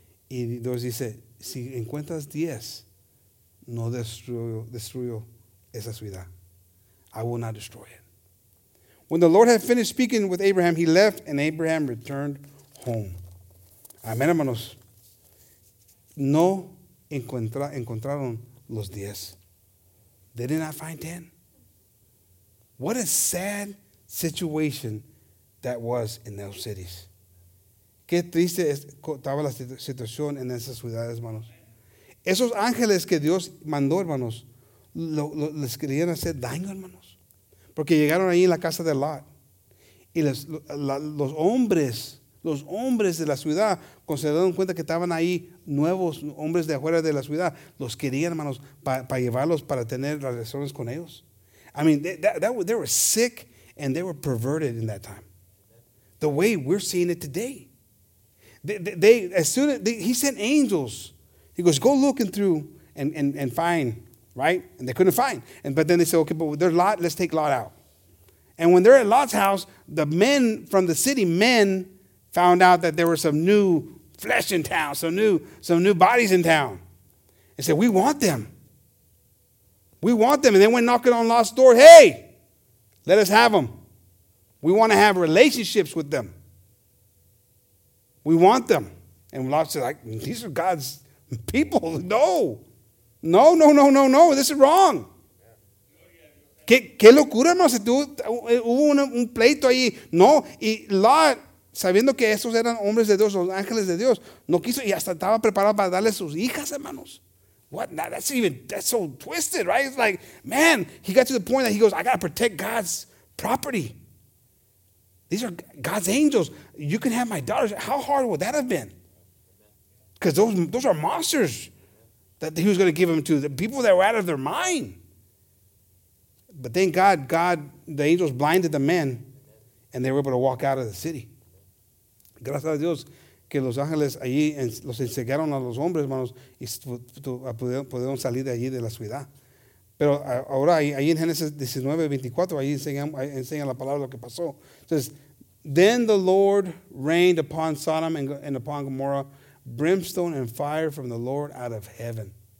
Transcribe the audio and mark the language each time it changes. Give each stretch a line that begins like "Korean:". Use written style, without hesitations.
Spanish: Y Dios dice, si encuentras 10, no destruyo esa ciudad.
English: I will not destroy it. When the Lord had finished speaking with Abraham, he left, and Abraham returned home.
Spanish: Amén, hermanos. No encontraron los 10.
English: They did not find 10. What a sad situation that was in those cities.
Spanish: Qué triste estaba la situación en esas ciudades, hermanos. Esos ángeles que Dios mandó, hermanos, les querían hacer daño, hermanos. Porque llegaron ahí en la casa de Lot. Y los hombres de la ciudad, cuando se dieron cuenta que estaban ahí nuevos hombres de afuera de la ciudad, los querían, hermanos, para llevarlos para tener relaciones con ellos.
English: I mean, they were sick and they were perverted in that time. The way we're seeing it today. He sent angels. He goes, go looking through and find, right? And they couldn't find. But then they said, okay, but there's Lot, let's take Lot out. And when they're at Lot's house, the men from the city, found out that there were some new flesh in town, some new bodies in town. and said, we want them. We want them. And they went knocking on Lot's door. Hey, let us have them. We want to have relationships with them. We want them. And Lot said, like, these are God's people. No. No, no, no, no, no. This is wrong.
Spanish: ¿Qué locura, hermano? Hubo un pleito ahí. No. Y Lot, sabiendo que esos eran hombres de Dios, los ángeles de Dios, no quiso. Y hasta estaba preparado para darle sus hijas, hermanos.
English: What? Now, that's so twisted, right? It's like, man, he got to the point that he goes, I got to protect God's property. These are God's angels. You can have my daughters. How hard would that have been? Because those are monsters that he was going to give them to, the people that were out of their mind. But thank God, the angels blinded the men, and they were able to walk out of the city.
Spanish: Gracias a Dios que los ángeles allí los encerraron a los hombres, hermanos, y pudieron salir de allí de la ciudad. Pero ahora, ahí en Génesis 19, 24, ahí enseña la palabra lo que pasó.
English: Entonces, then the Lord rained upon Sodom and upon Gomorrah brimstone and fire from the Lord out of heaven.